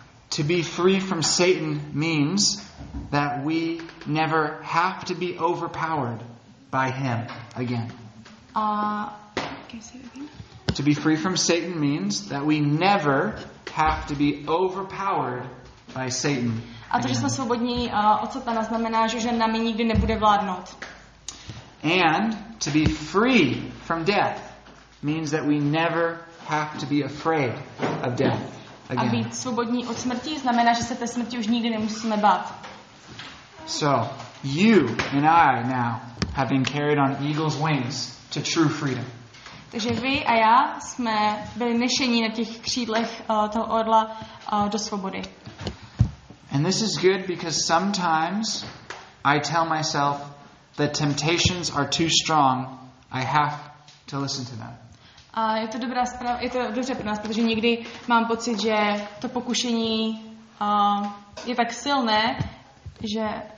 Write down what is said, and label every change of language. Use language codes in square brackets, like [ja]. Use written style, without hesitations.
[en] To be free from Satan means that we never have to be overpowered by him again. Can I say it again? To be free from Satan means that we never have to be overpowered by Satan. [cs] A to, že jsme svobodní od satana, znamená, že nami nikdy nebude vládnout. [en] And to be free from death means that we never have to be afraid of death again. [cs] A být svobodní od smrti znamená, že se té smrti už nikdy nemusíme bát. [en] So, you and I now have been carried on eagle's wings to true freedom. [cs] Takže vy a já jsme byli nešení na těch křídlech toho orla do svobody. [en] And this is good because sometimes I tell myself that temptations are too strong, I have to listen to them. [cs] A je to dobrá zpráva, je to dobře pro nás, protože někdy mám pocit, že to pokušení je tak silné, že